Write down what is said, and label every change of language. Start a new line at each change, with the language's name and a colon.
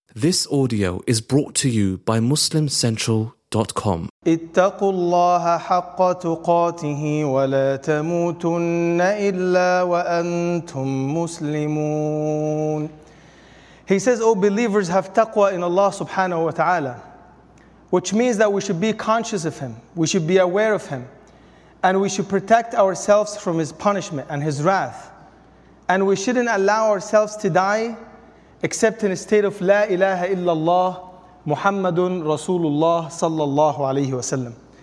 English: This audio is brought to you by MuslimCentral.com.
Arabic: اتقوا الله حق تقاته ولا تموتن إلا وأنتم مسلمون.
English: He says, O believers, have taqwa in Allah subhanahu wa ta'ala, which means that we should be conscious of Him, we should be aware of Him, and we should protect ourselves from His punishment and His wrath. And we shouldn't allow ourselves to die except in a state of La ilaha illallah, Muhammadun Rasulullah sallallahu alayhi wa sallam.